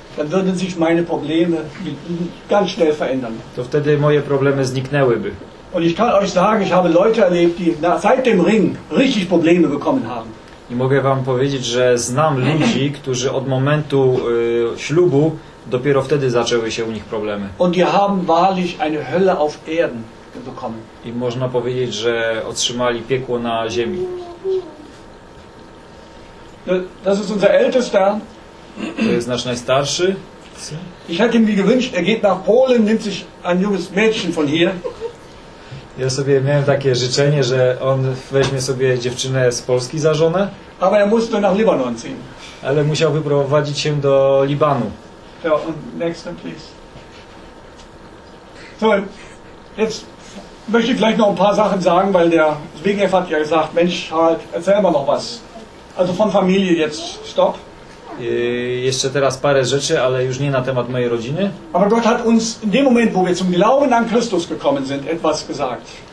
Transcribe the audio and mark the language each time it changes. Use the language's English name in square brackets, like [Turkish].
[German] dann würden sich meine Probleme ganz schnell verändern. [Polish] To wtedy moje problemy zniknęłyby. [German] Und ich kann euch sagen, ich habe Leute erlebt, die seit dem Ring richtig Probleme bekommen haben. [Polish] I mogę wam powiedzieć, że znam ludzi, którzy od momentu ślubu dopiero wtedy zaczęły się u nich problemy. [German] Und die haben wahrlich eine Hölle auf Erden. [Polish] I można powiedzieć, że otrzymali piekło na ziemi. [German] Das ist unser ältester. [Polish] To jest nasz najstarszy. [German] Ich hätte ihm gewünscht, er geht nach Polen, nimmt sich ein junges Mädchen von hier. [Polish] Ja sobie miałem takie życzenie, że on weźmie sobie dziewczynę z Polski za żonę. [German] Aber er musste nach Libanon ziehen. [Polish] Ale musiał wyprowadzić się do Libanu. [English] So, next one, please. [German] So, jetzt möchte ich gleich noch ein paar Sachen sagen, weil der Zbigniew hat ja gesagt, Mensch, halt, erzähl mal noch was. Also von Familie jetzt, stopp. [Polish] Jeszcze teraz parę rzeczy, ale już nie na temat mojej rodziny. [German] Aber Gott hat uns in dem Moment, wo wir zum Glauben an Christus gekommen sind, etwas gesagt.